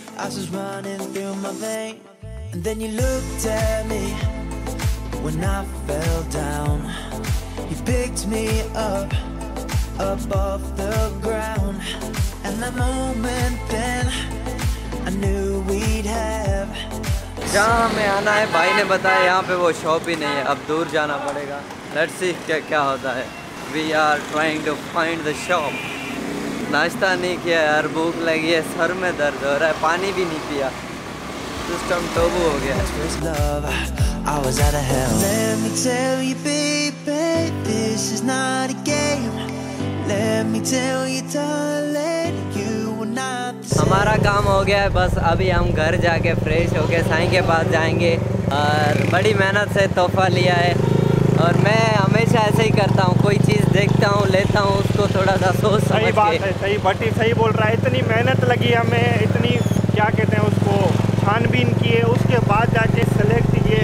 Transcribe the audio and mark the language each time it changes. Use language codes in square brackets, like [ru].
[en] I was running through my veins, and then you looked at me when I fell down. You picked me up above the ground, and that moment then I knew we'd have. [hi] जहाँ हमें आना है भाई ने बताया, यहाँ पे वो शॉप ही नहीं है, अब दूर जाना पड़ेगा। [en] Let's see [hi] क्या क्या होता है। [en] We are trying to find the shop. [hi] नाश्ता नहीं किया यार, भूख लगी है, सर में दर्द हो रहा है, पानी भी नहीं पिया, सिस्टम टोबू हो गया। [en] I was out of hell. Let me tell you baby, this is not a game. Let me tell you darling, you were not the same. [hi] हमारा काम हो गया है, बस अभी हम घर जाके फ्रेश होके साईं के पास जाएंगे। और बड़ी मेहनत से तोहफा लिया है, और मैं हमेशा ऐसे ही करता हूँ, कोई चीज़ देखता हूँ लेता हूँ उसको थोड़ा सा सोच समझ के। सही बात है, सही बटी सही बोल रहा है। इतनी मेहनत लगी हमें, इतनी क्या कहते हैं उसको, छानबीन किए, उसके बाद जाके सेलेक्ट किए।